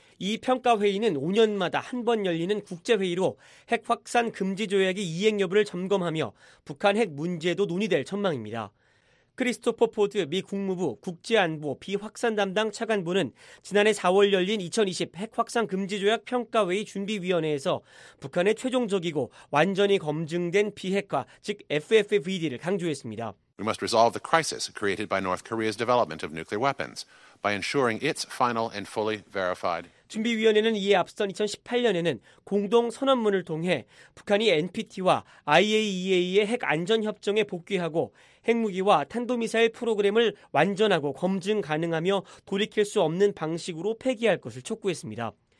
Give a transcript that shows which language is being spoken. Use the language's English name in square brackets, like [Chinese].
[Korean] 이 평가 회의는 5년마다 한 번 열리는 국제 회의로 핵 확산 금지 조약의 이행 여부를 점검하며 북한 핵 문제도 논의될 전망입니다. 크리스토퍼 포드 미 국무부 국제안보 비확산 담당 차관보는 지난해 4월 열린 2020 핵확산금지조약평가회의 준비위원회에서 북한의 최종적이고 완전히 검증된 비핵화, 즉 FFVD를 강조했습니다. [English] We must resolve the crisis created by North Korea's development of nuclear weapons by ensuring its final and fully verified. [Korean] 준비위원회는 이에 앞선 2018년에는 공동 선언문을 통해 북한이 NPT와 IAEA의 핵 안전협정에 복귀하고 핵무기와 탄도미사일 프로그램을 완전하고 검증 가능하며 돌이킬 수 없는 방식으로 폐기할 것을 촉구했습니다.